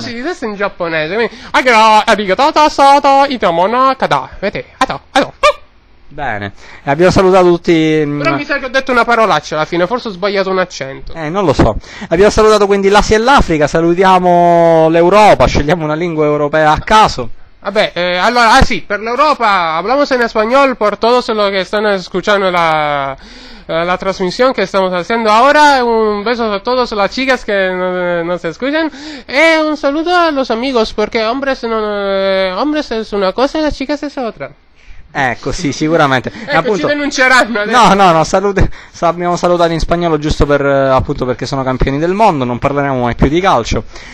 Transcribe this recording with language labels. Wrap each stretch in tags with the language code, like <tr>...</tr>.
<it>Fusi di Testa in giapponese, quindi</it> <ja>arigatou sato itamo nakata vete ato ato.</ja> <it>Bene, e abbiamo salutato tutti. Però mi sa che ho detto una parolaccia alla fine, forse ho sbagliato un accento. Non lo so. Abbiamo salutato quindi l'Asia e l'Africa, salutiamo l'Europa, scegliamo una lingua europea a caso. Vabbè, allora, sì, per l'Europa,</it> <es>hablamos en español por todos los que están escuchando la transmisión que estamos haciendo ahora. Un beso a todas las chicas que nos escuchan. Y un saludo a los amigos, porque hombres, hombres es una cosa y las chicas es otra.</es> <it>Ecco, sì, sicuramente. Ecco, appunto, ci denunceranno adesso. No, abbiamo salutato in spagnolo giusto per, appunto, perché sono campioni del mondo, non parleremo mai più di calcio.</it>